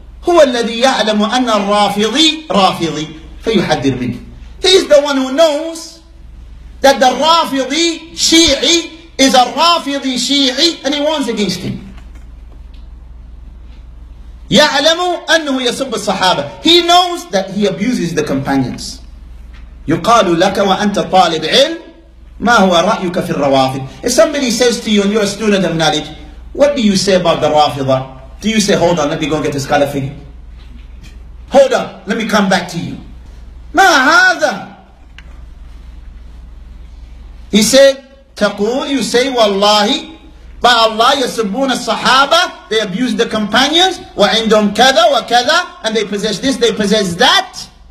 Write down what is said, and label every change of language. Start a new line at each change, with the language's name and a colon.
Arabic: هو الذي يعلم أن الرافضي رافضي فيحذر منه.
English: He is the one who knows that the Rafidi Shi'i is a Rafidi Shi'i and he warns against him.
Arabic: يعلم أنه يسب الصحابة.
English: He knows that he abuses the companions.
Arabic: يقال لك وأنت طالب علم ما هو رأيك في الروافض.
English: If somebody says to you and you're a student of knowledge, what do you say about the Rafida? Do you say, hold on, let me go and get a scholar for you? Hold on, let me come back to you.
Arabic: مَا هَذَا.
English: He said,
Arabic: تَقُولُ,
English: you say,
Arabic: وَاللَّهِ,
English: by Allah,
Arabic: يَسُبُّونَ الصَّحَابَ,
English: they abuse the companions,
Arabic: وَعِنْدُمْ كَذَا وَكَذَا,
English: and they possess this, they possess that.